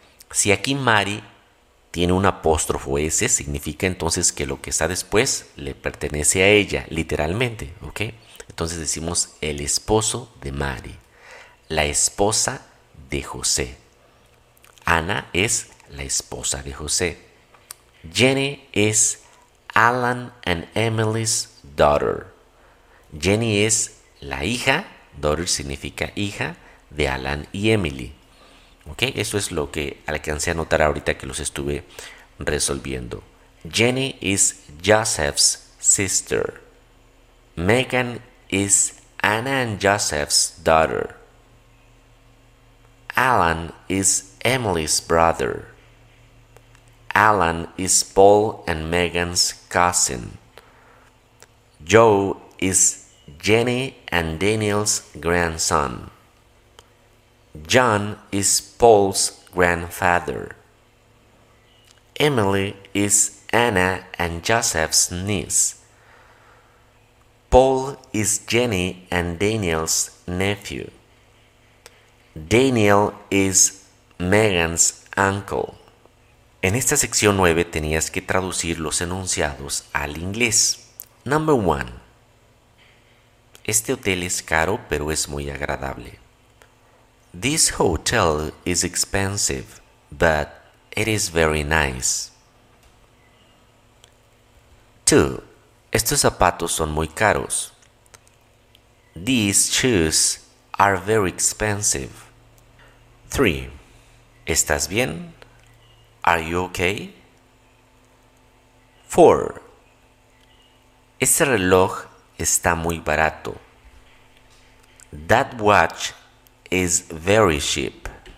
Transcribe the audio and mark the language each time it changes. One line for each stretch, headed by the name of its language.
Spanish: Si aquí Mary tiene un apóstrofo S, significa entonces que lo que está después le pertenece a ella, literalmente. ¿Ok? Entonces decimos el esposo de Mary, la esposa de José. Ana es la esposa de José.
English: Jenny es Alan and Emily's daughter.
Spanish: Jenny es la hija, daughter significa hija, de Alan y Emily. ¿Ok? Eso es lo que alcancé a notar ahorita que los estuve resolviendo.
English: Jenny is Joseph's sister. Megan is Anna and Joseph's daughter. Alan is Emily's brother. Alan is Paul and Megan's cousin. Joe is Jenny and Daniel's grandson. John is Paul's grandfather. Emily is Anna and Joseph's niece. Paul is Jenny and Daniel's nephew. Daniel is Megan's uncle.
Spanish: En esta sección 9 tenías que traducir los enunciados al inglés.
English: Number 1.
Spanish: Este hotel es caro, pero es muy agradable.
English: This hotel is expensive, but it is very nice. 2.
Spanish: Estos zapatos son muy caros.
English: These shoes are very expensive. 3.
Spanish: ¿Estás bien?
English: Are you okay? 4.
Spanish: Ese reloj está muy barato.
English: That watch is very cheap.